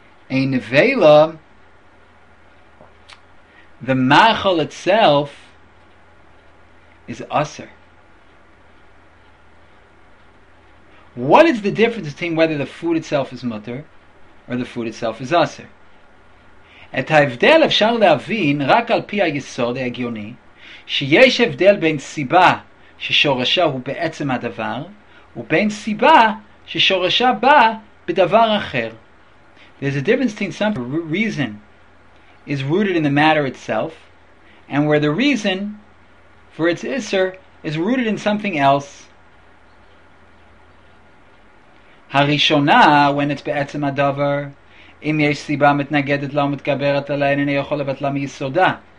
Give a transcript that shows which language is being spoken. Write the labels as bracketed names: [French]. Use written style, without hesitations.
[English] A nevela, the meichel itself, is usser. What is the difference between whether the food itself is mutter or the food itself is usser? [Hebrew] Et ha'evdel afshar le'avin rak al pi ha'yesod ha'egyoni שיש הבדל בין סיבה ששורשה הוא בעצם הדבר ובין סיבה ששורשה בא בדבר אחר. [English] There's a difference between some reason is rooted in the matter itself and where the reason for its iser is rooted in something else. [Hebrew] הראשונה, [English] when it's [Hebrew] בעצם הדבר, אם יש סיבה מתנגדת לא מתגברת עליה, אינני יכול לבטלה מיסודה.